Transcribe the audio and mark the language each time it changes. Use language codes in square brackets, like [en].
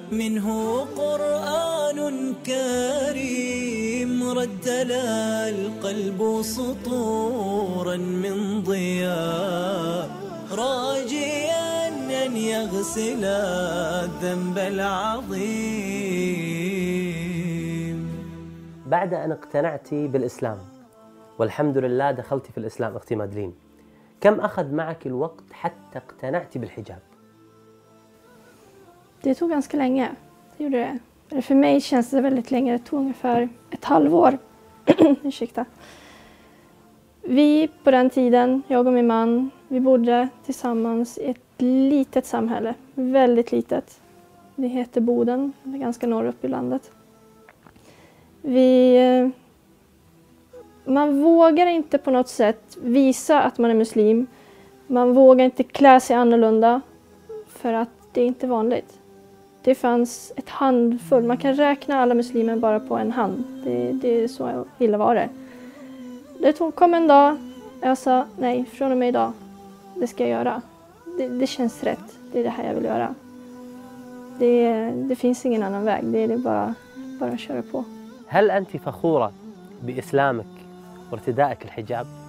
[ar] منه قرآن كريم رد للقلب سطورا من ضياء راجيا أن يغسل الذنب العظيم. بعد أن اقتنعت بالإسلام والحمد لله دخلت في الإسلام أختي مادلين، كم أخذ معك الوقت حتى اقتنعت بالحجاب؟ [sv] Det tog ganska länge. Det gjorde det. Eller för mig känns det väldigt länge. Det tog ungefär ett halvår. Ursäkta. Vi på den tiden, jag och min man, vi bodde tillsammans i ett litet samhälle. Väldigt litet. Det heter Boden. Det är ganska norr upp i landet. Man vågar inte på något sätt visa att man är muslim. Man vågar inte klä sig annorlunda. För att det är inte vanligt. Det fanns ett handfull. Man kan räkna alla muslimer bara på en hand. Det är så illa var det. Det kom en dag. Jag sa nej, från och med idag. Det ska jag göra. Det känns rätt. Det är det här jag vill göra. Det finns ingen annan väg. Det är bara att köra på. [ar] هل أنت فخورة بإسلامك وارتدائك الحجاب؟